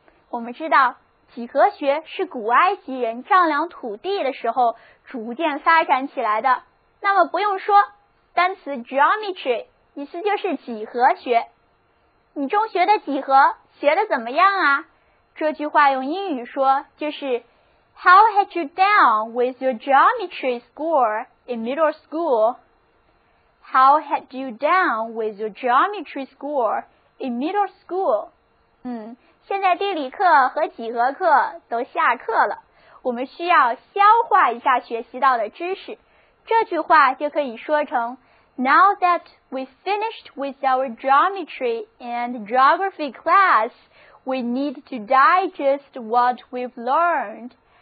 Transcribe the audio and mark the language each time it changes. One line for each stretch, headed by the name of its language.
Chinese: 我们知道几何学是古埃及人丈量土地的时候逐渐发展起来的，那么不用说，单词 geometry 意思就是几何学。你中学的几何学得怎么样啊？这句话用英语说就是
English: How had you done with your geometry score in middle school? How had you done with your geometry score in middle school?
Chinese: 现在地理课和几何课都下课了，我们需要消化一下学习到的知识。这句话就可以说成
English: Now that we finished with our geometry and geography class,We need to digest what we've learned.